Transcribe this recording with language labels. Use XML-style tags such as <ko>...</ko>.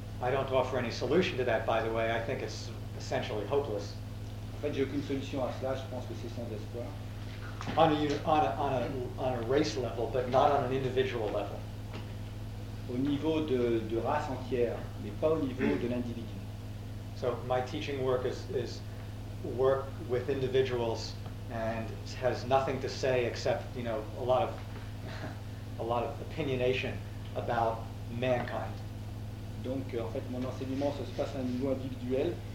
<en>I don't offer any solution to that, by the way. I think it's essentially hopeless.</en> <fr>En fait, j'ai aucune solution à cela. Je pense que c'est sans espoir.</fr> <en>On a race level, but not on an individual level.</en> <fr>Au niveau de race entière, mais pas au niveau de l'individu.</fr> <en>So my teaching work is work with individuals and has nothing to say except, you know, a lot of opinionation about mankind.</en> <fr>Donc en fait mon enseignement se passe à un niveau individuel.</fr>